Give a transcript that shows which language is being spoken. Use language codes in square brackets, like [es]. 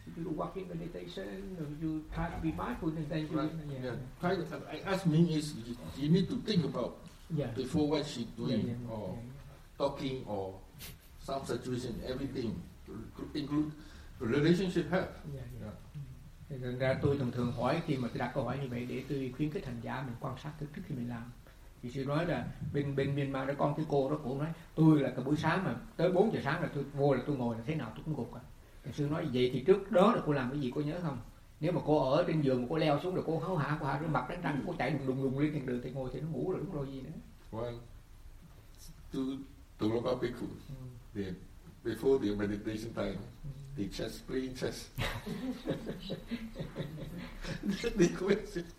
[en] You do walking meditation, you try to be mindful, and then you. I ask Ming is, you need to think about before what she's doing, talking, or some situation, everything, include relationship help. [vi] Thành ra tôi thường hỏi khi mà tôi đặt câu hỏi như vậy để tôi khuyến khích hành giả mình quan sát trước khi mình làm. Thì sư nói là bên Myanmar đó con cái cô đó cũng nói tôi là cả buổi sáng mà tới 4 giờ sáng là tôi vô là tôi ngồi là thế nào tôi cũng gục à. Thì sư nói vậy thì trước đó là cô làm cái gì cô nhớ không? Nếu mà cô ở trên giường mà cô leo xuống rồi cô hấu hả qua rồi mặt đánh răng cô chạy đùng lên trên đường thì ngồi thì nó ngủ rồi đúng rồi gì nữa. [en] Well, to look up bhikkhu, before the meditation time, they just play chess. They quit.